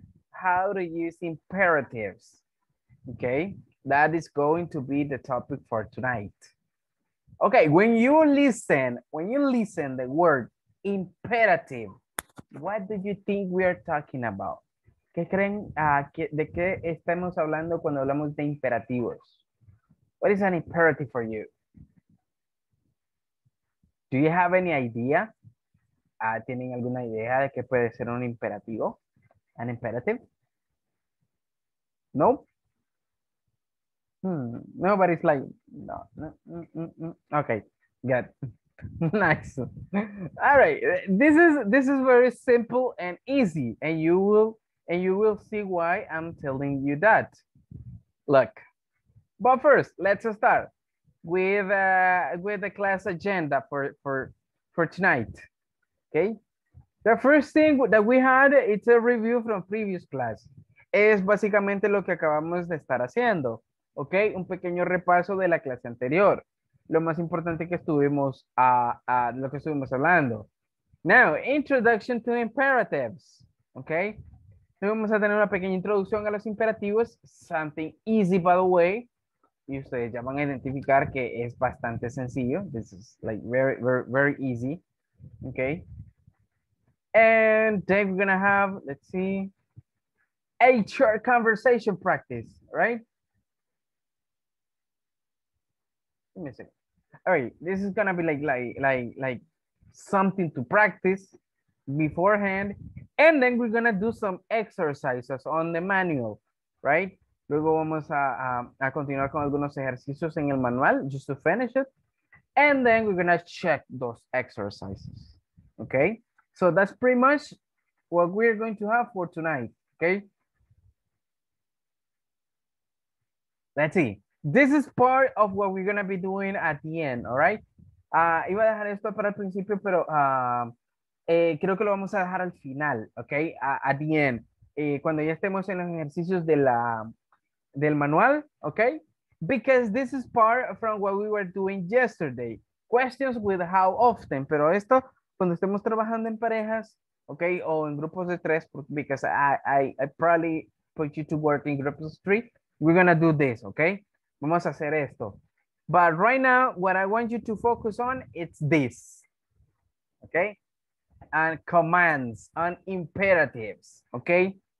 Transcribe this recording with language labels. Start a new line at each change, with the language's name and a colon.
English: How to use imperatives, okay? That is going to be the topic for tonight. Okay, when you listen the word imperative, what do you think we are talking about?
Spanish: ¿Qué creen? ¿De qué estamos hablando cuando hablamos de imperativos?
English: What is an imperative for you? Do you have any idea?
Spanish: ¿Tienen alguna idea de qué puede ser un imperativo?
English: An imperative? No? Nobody's like, no. Okay, good. Nice. All right, this is very simple and easy, and you will see why I'm telling you that. Look, but first, let's start with the class agenda for tonight, okay? The first thing that we had, it's a review from previous class.
Spanish: Es básicamente lo que acabamos de estar haciendo, okay? Un pequeño repaso de la clase anterior. Lo más importante que estuvimos, lo que estuvimos hablando.
English: Now, introduction to imperatives, okay?
Spanish: Vamos a tener una pequeña introducción a los imperativos,
English: something easy by the way,
Spanish: y ustedes ya van a identificar que es bastante sencillo,
English: this is like very, very, very easy, okay. And then we're gonna have, let's see, HR conversation practice, right? Give me a second. All right, this is gonna be like something to practice beforehand. And then we're gonna do some exercises on the manual, right?
Spanish: Luego vamos a continuar con algunos ejercicios en el manual,
English: just to finish it. And then we're gonna check those exercises, okay? So that's pretty much what we're going to have for tonight, okay? Let's see. This is part of what we're gonna be doing at the end, all right?
Spanish: Iba a dejar esto para el principio, pero... creo que lo vamos a dejar al final, ok,
English: at the end,
Spanish: cuando ya estemos en los ejercicios de la, del manual, ok,
English: because this is part from what we were doing yesterday, questions with how often,
Spanish: pero esto, cuando estemos trabajando en parejas, ok, o en grupos de tres,
English: because I probably put you to work in groups of three, we're gonna do this, ok,
Spanish: vamos a hacer esto,
English: but right now, what I want you to focus on, it's this, ok, and commands and imperatives, okay?